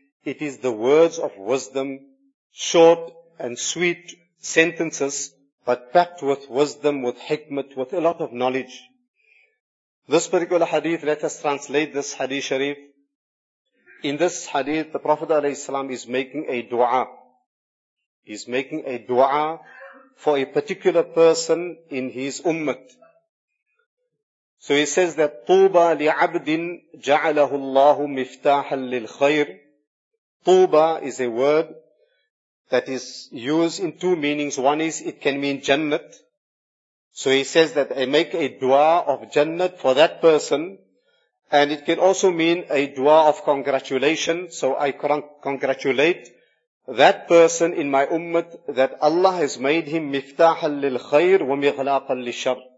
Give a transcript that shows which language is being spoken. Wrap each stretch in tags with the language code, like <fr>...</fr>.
<en>It is the words of wisdom, short and sweet sentences, but packed with wisdom, with hikmat, with a lot of knowledge. This particular hadith, let us translate this hadith sharif. In this hadith, the Prophet alayhi salam is making a dua. He's making a dua for a particular person in his ummah. So he says that,</en> <ar>طُوبَى لِعَبْدٍ جَعَلَهُ اللَّهُ مِفْتَاحًا لِلْخَيْرِ.</ar> <en>طُوبَى is a word that is used in two meanings. One is, it can mean jannat. So he says that I make a dua of jannat for that person, and it can also mean a dua of congratulation. So I congratulate that person in my ummah that Allah has made him miftahan lil khair wa mighlaqan lil shar.</en>